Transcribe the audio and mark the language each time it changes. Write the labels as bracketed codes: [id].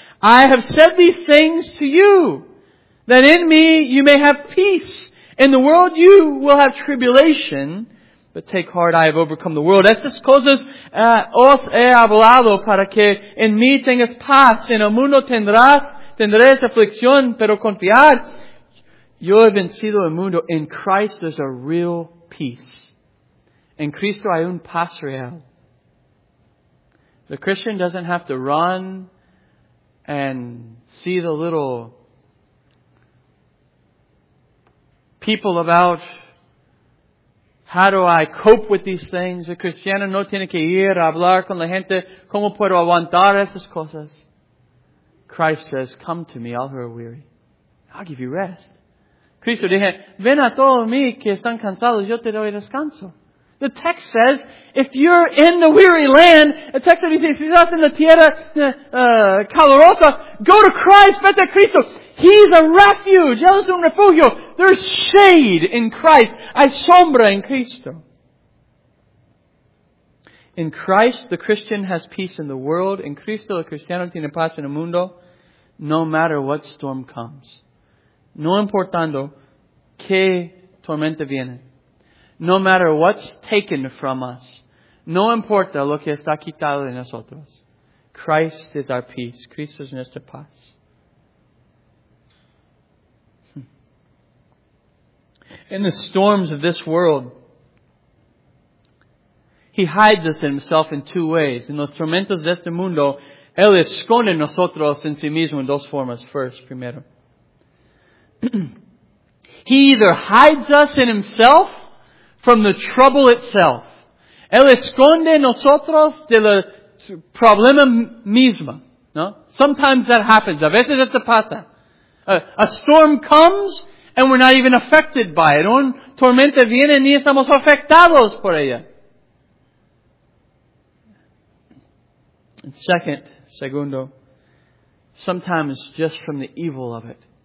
[en] I have said these things to you, that in me you may have peace. In the world you will have tribulation, but take heart, I have overcome the world. [es] Estas cosas os he hablado para que en mí tengas paz. En el mundo tendrás aflicción, pero confiad. Yo he vencido el mundo. [en] In Christ there's a real peace. [es] En Cristo hay un paz real. [en] The Christian doesn't have to run and see the little people about how do I cope with these things. [es] The Christian no tiene que ir a hablar con la gente. ¿Cómo puedo aguantar esas cosas? [en] Christ says, come to me, all who are weary. I'll give you rest. [es] Cristo dice, ven a todos mí que están cansados, yo te doy descanso. [en] The text says, if you're in the weary land, the text says, if you're not in the tierra calurosa, go to Christ, [es] vete a Cristo. [en] He's a refuge. [es] Él es un refugio. [en] There's shade in Christ. [es] Hay sombra en Cristo. [en] In Christ, the Christian has peace in the world. [es] In Cristo, el cristiano tiene paz en el mundo. [en] No matter what storm comes. [es] No importando qué tormenta viene. [en] No matter what's taken from us. [es] No importa lo que está quitado de nosotros. [en] Christ is our peace. [es] Cristo es nuestra paz. [en] In the storms of this world, He hides us in Himself in two ways. [es] En los tormentos de este mundo, Él esconde nosotros en sí mismo en dos formas. [en] First, primero. He either hides us in Himself from the trouble itself. [es] Él esconde nosotros de la problema misma. No? [en] Sometimes that happens. [es] A veces esto pasa. [en] A storm comes and we're not even affected by it. [es] Un tormenta viene ni estamos afectados por ella. [en] And segundo, sometimes just from the evil of it.